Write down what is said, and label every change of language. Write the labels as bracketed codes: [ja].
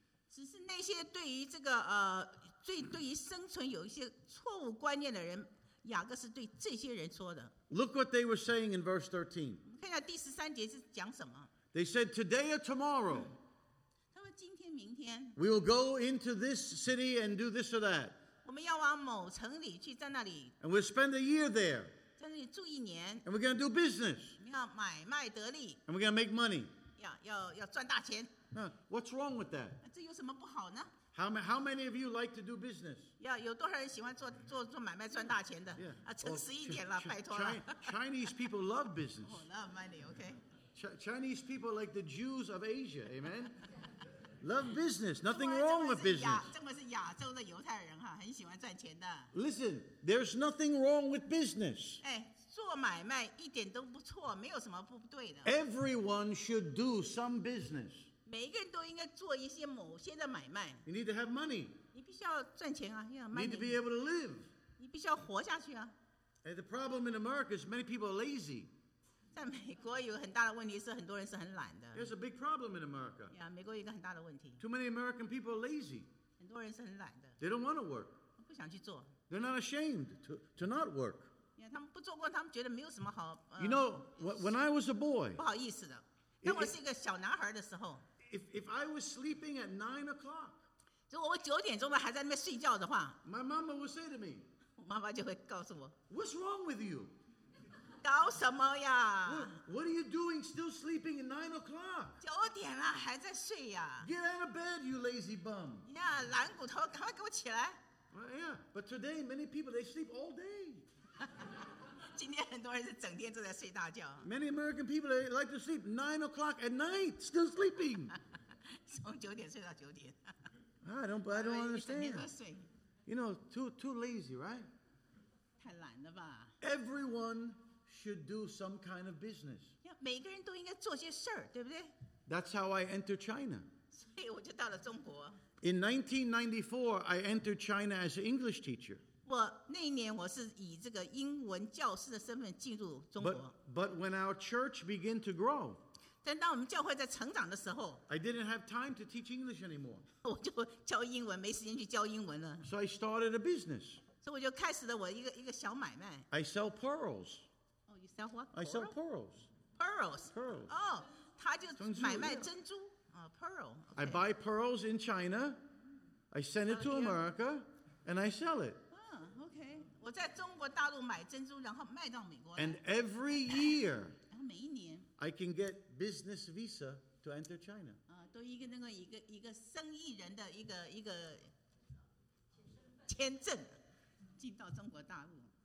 [zh] 只是那些对于这个对于生存有一些错误观念的人，雅各是对这些人说的。 [en] Look what they were saying in verse 13. [zh] 我们看一下第十三节是讲什么。 [en] They said today or tomorrow. [zh] 今天明天 [en] we will go into this city and do this or that. [zh] 我们要往某城里去，在那里 [en] and we'll spend a year there. [zh] 在那里住一年 [en] and we're going to do business. [zh] 我们要买卖得利 [en] and we're going to make money. [zh] 要赚大钱 [en] Now, what's wrong with that? [zh] 这有什么不好呢？ [en] How many of you like to do business? [zh] 有多少人喜欢做买卖赚大钱的？ [en] Yeah. [zh] 诚实一点了，拜托了。 [en] Chinese people love business. Oh, love money, okay. Chinese people like the Jews of Asia, amen. Love business. Nothing wrong with business. [zh] 这么是亚洲的犹太人哈，很喜欢赚钱的。 [en] Listen, there's nothing wrong with business. [zh] 做买卖一点都不错，没有什么不对的。 [en] Everyone should do some business. [zh] 每一个人都应该做一些某些的买卖。 [en] You need to have money. [zh] 你必须要赚钱啊，要有money。 [en] Need to be able to live. [zh] 你必须要活下去啊。 [en] And the problem in America is many people are lazy. [zh] 在美国有很大的问题是很多人是很懒的。 [en] There's a big problem in America. [zh] 呀，美国有一个很大的问题。 [en] Too many American people are lazy. [zh] 很多人是很懒的。 [en] They don't want to work. [zh] 不想去做。 [en] They're not ashamed to not work. [zh] 他们不做过，他们觉得没有什么好。 [en] You know, when I was a boy, [zh] 不好意思的，当我是一个小男孩的时候 [en] ，if I was sleeping at 9 o'clock, [zh] 如果我九点钟了还在那边睡觉的话 [en] ，my mama would say to me, [zh] 我妈妈就会告诉我 [en] ，what's wrong with you? [zh] 搞什么呀 [en] ？What are you doing still sleeping at 9 o'clock? [zh] 九点了还在睡呀 [en] ？Get out of bed, you lazy bum! [zh] 呀，懒骨头，赶快给我起来 [en] ！Yeah, but today many people they sleep all day. [zh] 今天很多人是整天都在睡大觉。 [en] Many American people like to sleep 9 o'clock at night, still sleeping. [zh] 从九点睡到九点。 [en] I don't understand. You know, too lazy, right? [zh] 太懒了吧。 [en] Everyone should do some kind of business. [zh] 每个人都应该做些事儿，对不对 [en] ？That's how I enter China. [zh] 所以我就到了中国。 [en] In 1994, I entered China as an English teacher. [zh] 我那一年我是以这个英文教师的身份进入中国。 [en] But when our church began to grow, [zh] 但当我们教会在成长的时候 [en] ，I didn't have time to teach English anymore. [zh] 我就教英文，没时间去教英文了。 [en] So I started a business. [zh] 所以我就开始了我一个小买卖。 [en] I sell pearls. Oh, you sell what? I sell pearls. Pearls. Pearls. [zh] Oh, 他就买卖珍珠。Pearl. Okay. [en] I buy pearls in China. I send it to America, and I sell it. Okay. [zh] 我在中国大陆买珍珠，然后卖到美国来。 [en] And every year, [zh] 然后每一年 [en] ，I can get business visa to enter China. [zh] 都一个那个一个生意人的一个签证进到中国大陆。